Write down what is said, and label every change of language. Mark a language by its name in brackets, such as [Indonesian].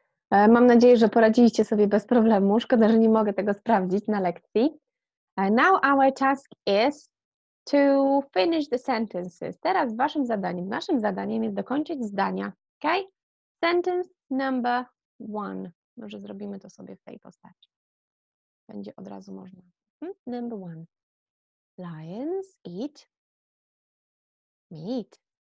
[Polish] Mam nadzieję, że poradziliście sobie bez problemu. Szkoda, że nie mogę tego sprawdzić na lekcji. [English] Now our task is to finish the sentences. [Polish] Teraz waszym zadaniem, naszym zadaniem jest dokończyć zdania. Okay? [English] Sentence number one. [Polish] Może zrobimy to sobie w tej postaci. Będzie od razu można. [English] Number one. Lions eat meat.